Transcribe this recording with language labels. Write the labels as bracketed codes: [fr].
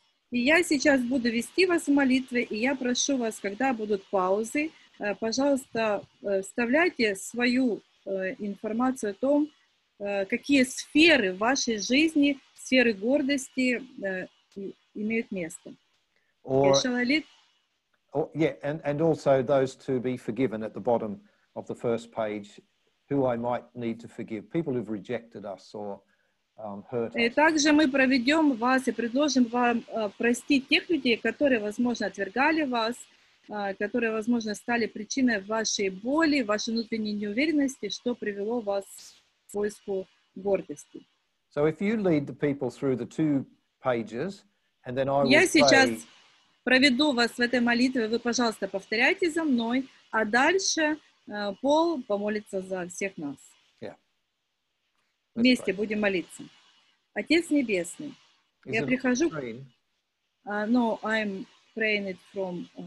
[ru] И я сейчас буду вести вас в молитве, и я прошу вас, когда будут паузы, пожалуйста, вставляйте свою информацию о том, какие сферы в вашей жизни, сферы гордости имеют место. [en] And also those to be forgiven at the bottom of the first page, who I might need to forgive, people who've rejected us or hurt us. [ru] И также мы проведем вас и предложим вам простить тех людей, которые, возможно, отвергали вас, которые, возможно, стали причиной вашей боли, вашей внутренней неуверенности, что привело вас поиску гордости. [en] So if you lead the people through the two pages, and then I will [ru] pray. Я сейчас проведу вас в этой молитве. Вы, пожалуйста, повторяйте за мной, а дальше Пол помолится за всех нас. Yeah. Вместе pray. Будем молиться. Отец Небесный, я прихожу... [en] No, I'm praying it from...